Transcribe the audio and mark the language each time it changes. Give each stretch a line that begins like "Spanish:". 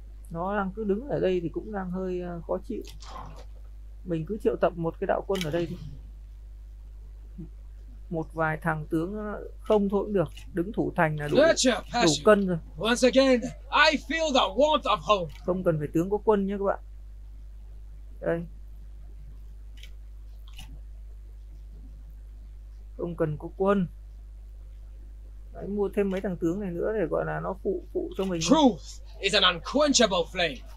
Vietnamese: Nó đang cứ đứng ở đây thì cũng đang hơi khó chịu. Mình cứ triệu tập một cái đạo quân ở đây một vài thằng tướng không thôi cũng được, đứng thủ thành là đủ
English: Nurture
Vietnamese: đủ
English: passion.
Vietnamese: cân rồi,
English: Once again, I feel the warmth of home.
Vietnamese: không cần phải tướng có quân nhé các bạn. Đây không cần có quân. Đấy, mua thêm mấy thằng tướng này nữa để gọi là nó phụ phụ cho mình thôi.
English: Truth is an unquenchable flame.